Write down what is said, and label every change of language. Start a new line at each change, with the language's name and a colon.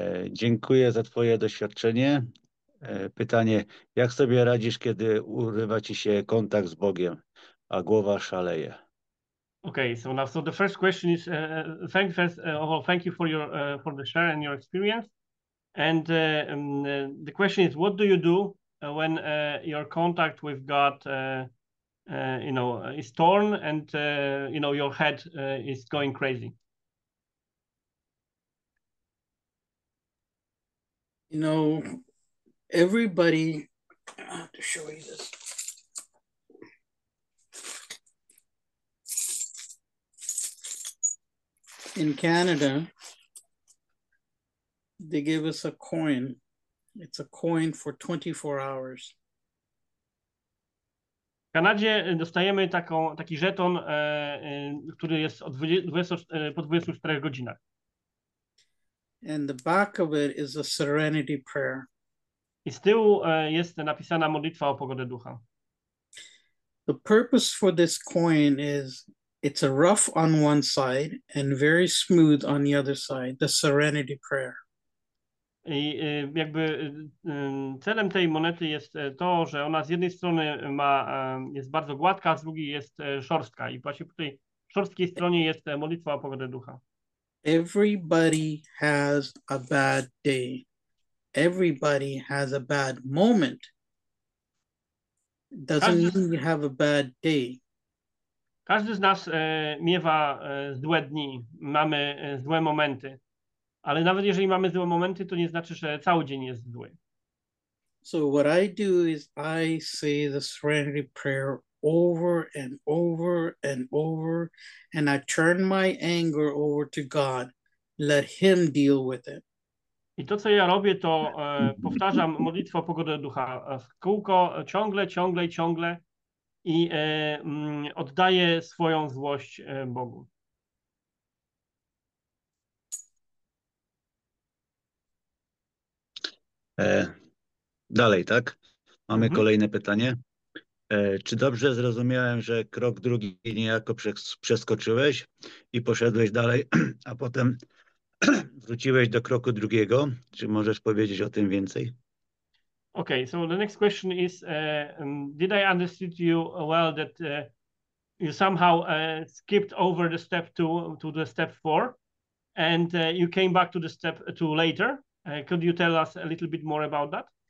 Polish: Dziękuję za twoje doświadczenie. Pytanie, jak sobie radzisz, kiedy urywa ci się kontakt z Bogiem, a głowa szaleje?
English: Okay, so now, so the first question is, thank, first of all, thank you for your for the share and your experience. And the question is, what do you do when your contact with God, you know, is torn and, you know, your head is going crazy? You know, everybody, I have to show you this. In Canada, they give us a coin. It's a coin for 24 hours.
Polish: W Kanadzie dostajemy taki żeton, który jest od 20, po 24 godzinach.
English: And the back of it is a serenity prayer.
Polish: I z tyłu jest napisana modlitwa o pogodę ducha.
English: The purpose for this coin is it's a rough on one side and very smooth on the other side, the serenity prayer.
Polish: I jakby celem tej monety jest to, że ona z jednej strony ma jest bardzo gładka, a z drugiej jest szorstka. I właśnie po tej szorstkiej stronie jest modlitwa o pogodę ducha.
English: Everybody has a bad day. Everybody has a bad moment. Doesn't mean you have a bad day.
Polish: Każdy z nas miewa złe dni, mamy złe momenty. Ale nawet jeżeli mamy złe momenty, to nie znaczy, że cały dzień jest zły.
English: So what I do is I say the serenity prayer over and over and over, and I turn my anger over to God. Let him deal with it.
Polish: I to, co ja robię, to powtarzam modlitwę o pogodę ducha w kółko, ciągle, ciągle, ciągle, i oddaję swoją złość Bogu. Dalej, tak? Mamy kolejne pytanie. Czy dobrze zrozumiałem, że krok drugi niejako przeskoczyłeś i poszedłeś dalej, a potem wróciłeś do kroku drugiego? Czy możesz powiedzieć o tym więcej?
English: Okay, so the next question is, did I understand you well that you somehow skipped over the step two to the step four and you came back to the step two later? Could you tell us a little bit more about that?